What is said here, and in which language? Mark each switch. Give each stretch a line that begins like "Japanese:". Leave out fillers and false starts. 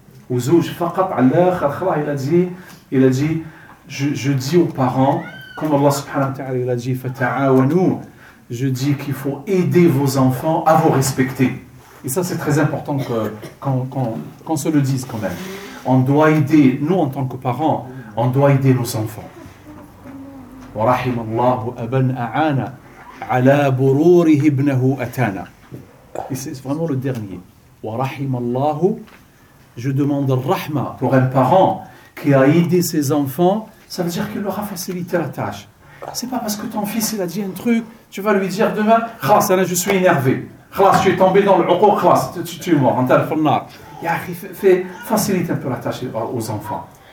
French: Ouzouj, faqat Allah, il a dit, je dis aux parents, comme Allah subhanahu wa ta'ala, il a dit, fata'awanu, je dis qu'il faut aider vos enfants à vous respecter. Et ça, c'est très important qu'on se le dise quand même. On doit aider, nous en tant que parents, on doit aider nos enfants.
Arabic: ورحم الله أبا أعانا على بروره ابنه أتانا.
French: C'est vraiment le dernier.
Arabic: ورحم الله.
French: Je demande الرحمة. Pour un parent qui a aidé ses enfants, ça veut dire qu'il leur a facilité la tâche. C'est pas parce que ton fils il a dit un truc, tu vas lui dire demain,
Arabic: خلاص أنا
French: je suis énervé. خلاص tu es tombé dans le عقوق, خلاص tu es mort,
Arabic: أنت في النار. يا أخي,
French: facilite un peu la tâche aux enfants.